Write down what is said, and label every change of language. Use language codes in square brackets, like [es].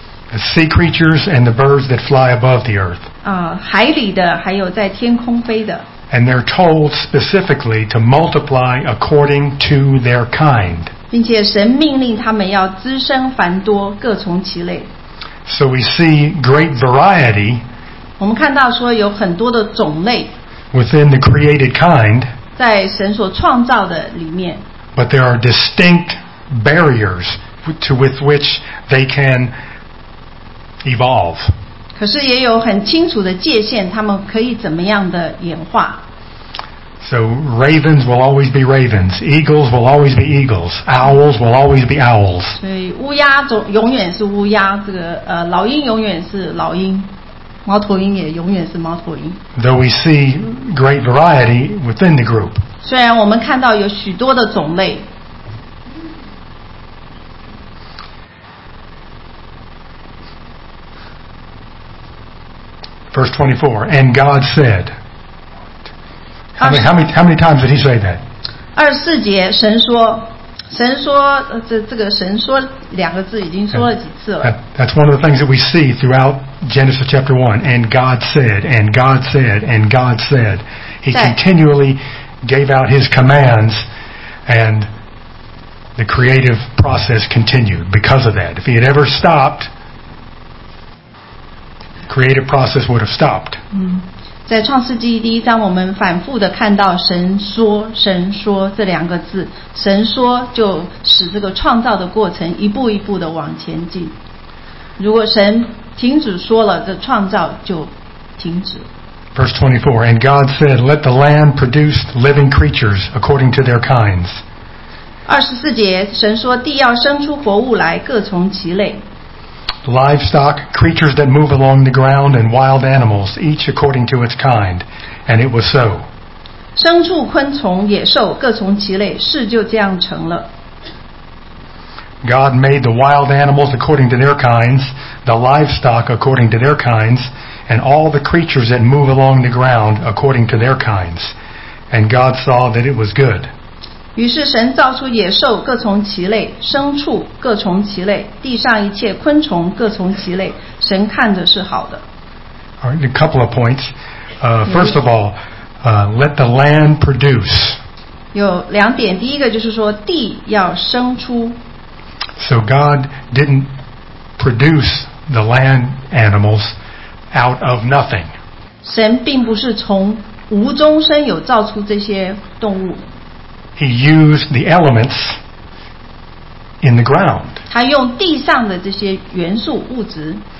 [en] The sea creatures and the birds that fly above the earth. [zh] 海里的还有在天空飞的。 [en] And they're told specifically to multiply according to their kind. [zh] 并且神命令他们要滋生繁多，各从其类。 [en] So we see great variety. [zh] 我们看到说有很多的种类。 [en] Within the created kind. [zh] 在神所创造的里面。 [en] But there are distinct barriers with which they can evolve. [zh] 可是也有很清楚的界限，他们可以怎么样的演化。 [en] So ravens will always be ravens. Eagles will always be eagles. Owls will always be owls. [zh] 所以乌鸦永远是乌鸦，这个老鹰永远是老鹰，猫头鹰也永远是猫头鹰。 [en] Though we see great variety within the group. [zh] 虽然我们看到有许多的种类。 [en] Verse 24, and God said, how many times did he say that? [zh] 24节神说这个神说两个字已经说了几次了。 [en] That's one of the things that we see throughout Genesis chapter 1, and God said, and God said, and God said. He continually gave out his commands and the creative process continued because of that. If he had ever stopped,creative process would have stopped. [zh] 在创世纪第一章，我们反复的看到神说，神说这两个字，神说就使这个创造的过程一步一步的往前进。如果神停止说了，这创造就停止。 [en] Verse 24, and God said, let the land produce living creatures according to their kinds. [zh] 24节，神说地要生出活物来，各从其类。 [en] Livestock, creatures that move along the ground, and wild animals, each according to its kind. And it was so. [zh] 牲畜、昆虫、野兽各从其类，事就这样成了。 [en] God made the wild animals according to their kinds, the livestock according to their kinds, and all the creatures that move along the ground according to their kinds. And God saw that it was good. [zh] 于是神造出野兽各从其类，牲畜各从其类，地上一切昆虫各从其类，神看着是好的。 [en] All right, a couple of points. First of all, let the land produce. [zh] 有两点，第一个就是说地要生出。 [en] So God didn't produce the land animals out of nothing. [zh] 神并不是从无中生有造出这些动物。 [en] He used the elements in the ground. [zh] 他用地上的这些元素物质。